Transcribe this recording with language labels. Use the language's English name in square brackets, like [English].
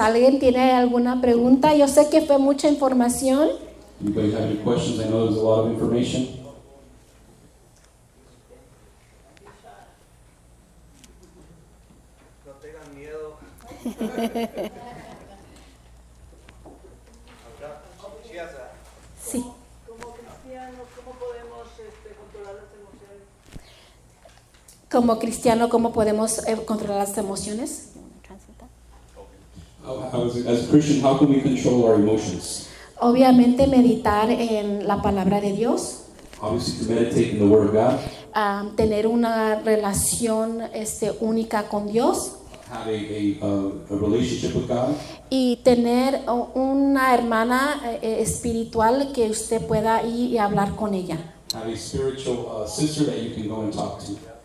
[Spanish] ¿Alguien tiene alguna pregunta? Yo sé que fue mucha información. [English] Anybody have any questions? I know there's a lot of information. [Spanish] No tengan miedo. Sí. Como cristiano, ¿cómo podemos controlar las emociones? Como cristiano, ¿cómo podemos controlar las emociones? [English] As a Christian, how can we control our emotions? [Spanish] Obviamente, meditar en la palabra de Dios. [English] Obviously, to meditate in the Word of God. [Spanish] Tener una relación única con Dios. [English] Have a relationship with God. [Spanish] Y tener una hermana espiritual que usted pueda ir y hablar con ella. [English] Have a spiritual sister that you can go and talk to.